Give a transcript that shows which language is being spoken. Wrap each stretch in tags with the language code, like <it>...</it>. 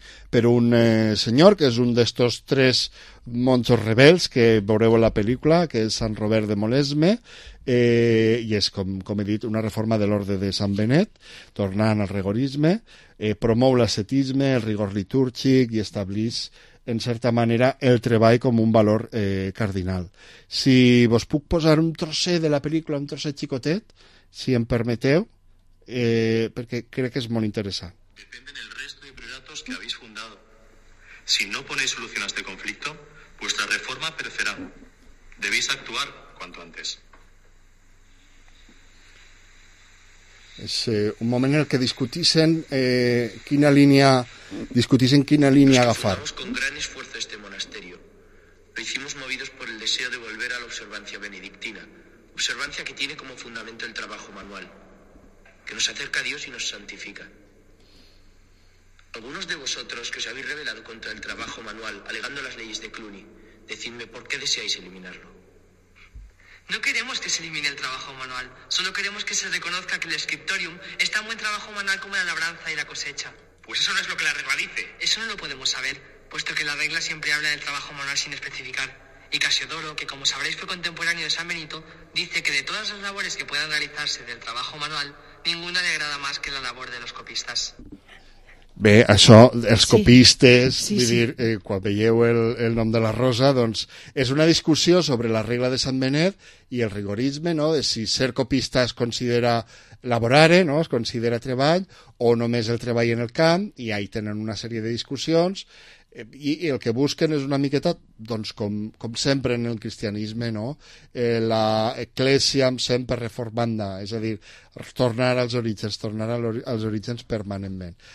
<ca>per un senyor que és un d'estos tres monjos rebels que veureu a la pel·lícula, que és Sant Robert de Molesme, i és, com he dit, una reforma de l'Orde de Sant Benet, tornant al rigorisme, promou l'ascetisme, el rigor litúrgic i establix, en certa manera, el treball com un valor cardinal. Si vos puc posar un trosset de la pel·lícula, un trosset xicotet, si em permeteu, perquè crec que és molt interessant.</ca> <es>Depende del resto de priorados que habéis fundado. Si no ponéis solución a este conflicto, vuestra reforma perecerá. Debéis actuar cuanto antes.</es> <ca>És un moment en què discutissen quina línia agafar.</ca> <es>Con gran esfuerzo este monasterio. Lo hicimos movidos por el deseo de volver a la observancia benedictina, observancia que tiene como fundamento el trabajo manual, que nos acerca a Dios y nos santifica. Algunos de vosotros que os habéis rebelado contra el trabajo manual, alegando las leyes de Cluny, decidme por qué deseáis eliminarlo. No queremos que se elimine el trabajo manual, solo queremos que se reconozca que el scriptorium es tan buen trabajo manual como la labranza y la cosecha. Pues eso no es lo que la regla dice. Eso no lo podemos saber, puesto que la regla siempre habla del trabajo manual sin especificar. Y Casiodoro, que como sabréis fue contemporáneo de San Benito, dice que de todas las labores que puedan realizarse del trabajo manual, ninguna le agrada más que la labor de los copistas.</es> <ca>Bé, això, els copistes, sí. Sí, vull dir, quan veieu el nom de la rosa, doncs és una discussió sobre la regla de Sant Benet i el rigorisme, no?, de si ser copista es considera laborare, no?, es considera treball, o només el treball en el camp, i ahí tenen una sèrie de discussions, i el que busquen és una miqueta, doncs, com sempre en el cristianisme, no?, l'eclésiam sempre reformanda, és a dir, tornar als orígens permanentment.</ca>